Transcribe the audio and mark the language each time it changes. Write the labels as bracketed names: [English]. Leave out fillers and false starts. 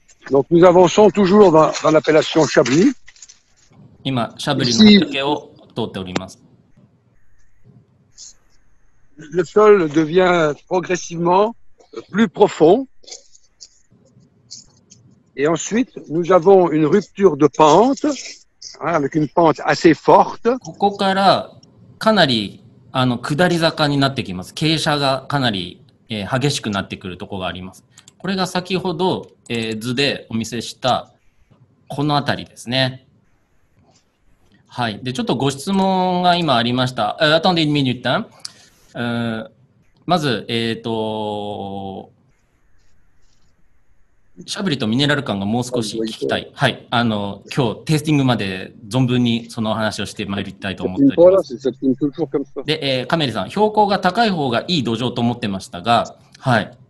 [French] Donc nous avançons toujours dans l'appellation Chablis. [Japanese] 今、シャブリの畑を通っております。 [French] Le sol devient progressivement plus profond. Et ensuite, nous avons une rupture de pente. Avec une pente assez forte. [Japanese] ここからかなり下り坂になってきます。傾斜がかなり、激しくなってくるところがあります。これが先ほど、図でお見せしたこの辺りですね。はい。で、ちょっとご質問が今ありました。 [French] Attendez une minute, hein. [Japanese] まず、シャブリとミネラル感がもう少し聞きたい。はい。今日、テイスティングまで存分にその話をしてまいりたいと思っております。で、カメリさん、標高が高い方がいい土壌と思ってましたが、はい。